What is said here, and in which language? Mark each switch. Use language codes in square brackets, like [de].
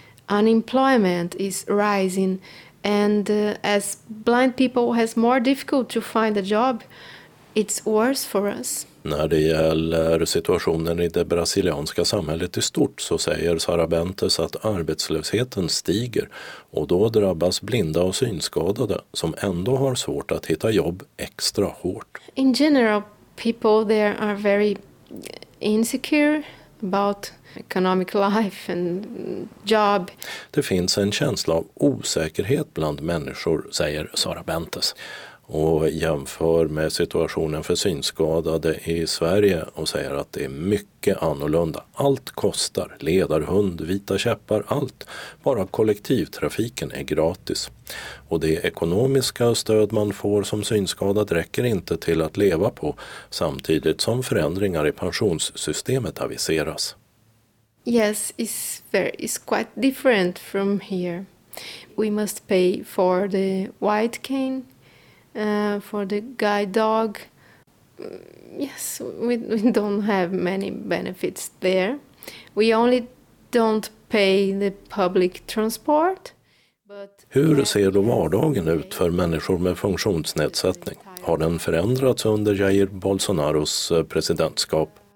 [en] Unemployment is rising, and as blind people has more difficult to find a job, it's worse for us. [sv] När det gäller situationen i det brasilianska samhället i stort så säger Sara Bentes att arbetslösheten stiger, och då drabbas blinda och synskadade som ändå har svårt att hitta jobb extra hårt. [en] In general, people there are very insecure about economic life and job. [sv] Det finns en känsla av osäkerhet bland människor, säger Sara Bentes. Och jämför med situationen för synskadade i Sverige och säger att det är mycket annorlunda. Allt kostar, ledarhund, vita käppar, allt. Bara kollektivtrafiken är gratis. Och det ekonomiska stöd man får som synskadad räcker inte till att leva på, samtidigt som förändringar i pensionssystemet aviseras. [en] Yes, it's quite different from here. We must pay for the white cane. For the guide dog, yes, we don't have many benefits there. We only don't pay the public transport. But [sv] hur ser då vardagen ut för människor med funktionsnedsättning? Har den förändrats under Jair Bolsonaros presidentskap?